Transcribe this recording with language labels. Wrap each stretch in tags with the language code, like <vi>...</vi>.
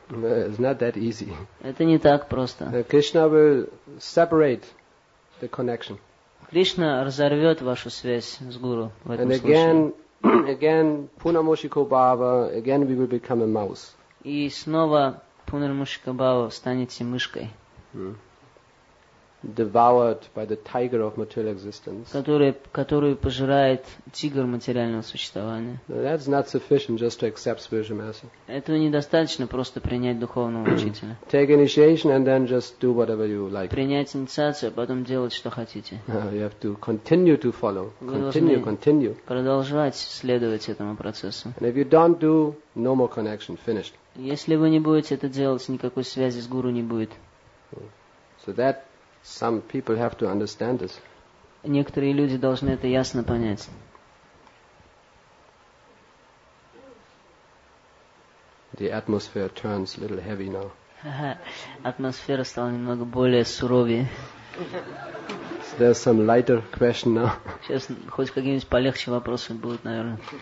<en>It's not that easy.</en> <ru>Это не так просто.</ru> <en>Krishna will separate the connection.</en> <ru>Кришна разорвет вашу связь с гуру в этом случае.</ru> <en>Again, Punarmushika Bhava, again we will become a mouse.</en> <ru>И снова Пунармушика Бхава станете мышкой.</ru> <en>Devoured by the tiger of material existence.</en> <ru>Которую пожирает тигр материального существования.</ru> <en>That's not sufficient just to accept spiritual master.</en> <ru>Этого недостаточно просто принять духовного учителя.</ru> <en>Take initiation and then just do whatever you like.</en> <ru>Принять инициацию, а потом делать, что хотите.</ru> <en>You have to continue to follow. Continue.</en> <ru>Продолжать следовать этому процессу.</ru> <en>And if you don't do, no more connection. Finished.</en> <ru>Если вы не будете это делать, никакой связи с гуру не будет.</ru> <en>So that some people have to understand this.</en> <ru>Некоторые люди должны это ясно понять.</ru> <en>The atmosphere turns a little heavy now.</en> <ru>Атмосфера стала немного более суровее.</ru> <en>So there's some lighter question now.</en> <ru>Сейчас хоть какие-нибудь полегче вопросы будут, наверное.</ru>